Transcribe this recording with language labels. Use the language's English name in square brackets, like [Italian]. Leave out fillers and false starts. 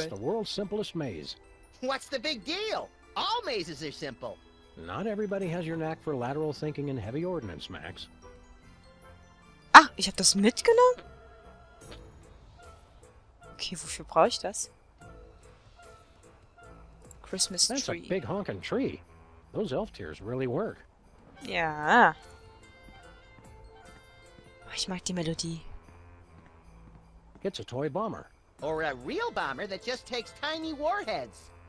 [English] It's the world's simplest maze. What's the big deal? All mazes are simple. Not everybody has your knack for lateral thinking and heavy ordnance, Max. [German] Ah, ich hab das mitgenommen? Okay, wofür brauche ich das? [English] Christmas tree. That's a big honking tree. Those elf tears really work. [German] Ja. Ich mag die Melodie. [English] It's a toy bomber. Or a real bomber that just takes tiny warheads.